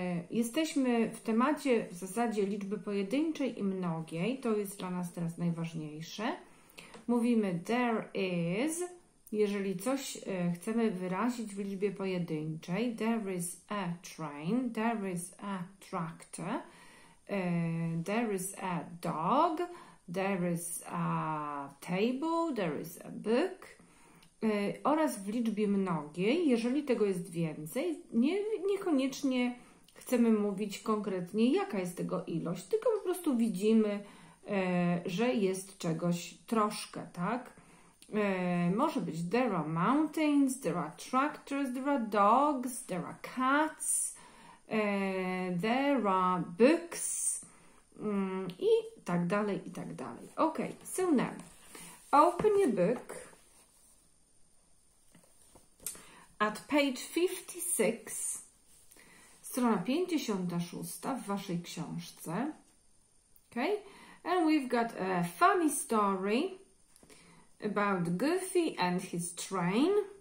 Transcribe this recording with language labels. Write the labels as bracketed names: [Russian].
[Polish] Jesteśmy w temacie w zasadzie liczby pojedynczej i mnogiej. To jest dla nas teraz najważniejsze. Mówimy [English] there is, [Polish] jeżeli coś chcemy wyrazić w liczbie pojedynczej. [English] There is a train, there is a tractor, there is a dog, there is a table, there is a book. [Polish] Oraz w liczbie mnogiej, jeżeli tego jest więcej, niekoniecznie chcemy mówić konkretnie, jaka jest tego ilość, tylko po prostu widzimy, że jest czegoś troszkę, tak? Może być [English] there are mountains, there are tractors, there are dogs, there are cats, there are books [Polish] i tak dalej, i tak dalej. [English] Ok, so now, open your book. At page 56, [Polish] strona 56 w waszej książce. [English] Okay? And we've got a funny story about Goofy and his train.